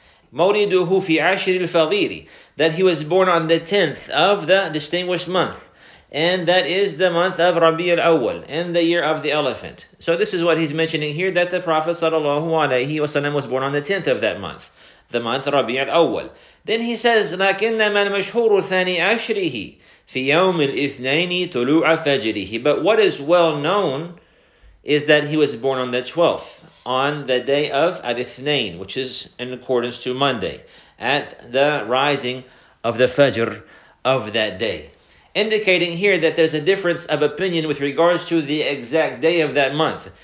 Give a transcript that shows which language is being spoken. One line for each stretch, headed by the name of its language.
Arabic: Mawliduhu fi ashir al-fadili,
English: that he was born on the 10th of the distinguished month, and that is the month of Rabi' al-Awwal, in the year of the elephant. So this is what he's mentioning here, that the Prophet sallallahu alayhi wa sallam was born on the 10th of that month, the month Rabi' al-Awwal. Then he says,
Arabic: لَكِنَّمَا الْمَشْهُورُ ثَانِي أَشْرِهِ فِي يَوْمِ الْإِثْنَيْنِ تُلُوعَ فَجْرِهِ.
English: But what is well known is that he was born on the 12th, on the day of al-Ithnain, which is in accordance to Monday, at the rising of the Fajr of that day. Indicating here that there's a difference of opinion with regards to the exact day of that month.